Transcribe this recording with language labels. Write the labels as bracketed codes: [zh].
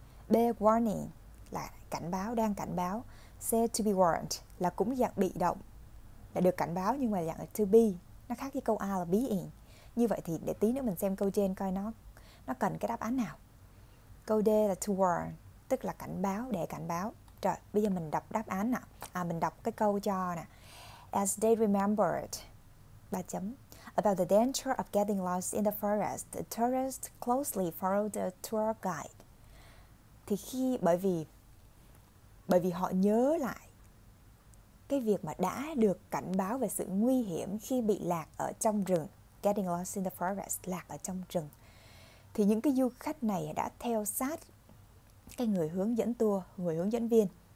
[vi] B, warning là cảnh báo, đang cảnh báo. C, to be warned là cũng dạng bị động, là được cảnh báo nhưng mà dạng to be. Nó khác với câu A là being. Như vậy thì để tí nữa mình xem câu trên coi nó cần cái đáp án nào. Câu D là to warn, tức là cảnh báo, để cảnh báo. Rồi, bây giờ mình đọc đáp án nè. Mình đọc cái câu cho nè. [en] As they remembered, [vi] 3 chấm, [en] about the danger of getting lost in the forest, the tourists closely followed the tour guide. [vi] Thì khi, bởi vì họ nhớ lại cái việc mà đã được cảnh báo về sự nguy hiểm khi bị lạc ở trong rừng, [en] getting lost in the forest, [vi] lạc ở trong rừng, thì những cái du khách này đã theo sát cái người hướng dẫn tour, người hướng dẫn viên.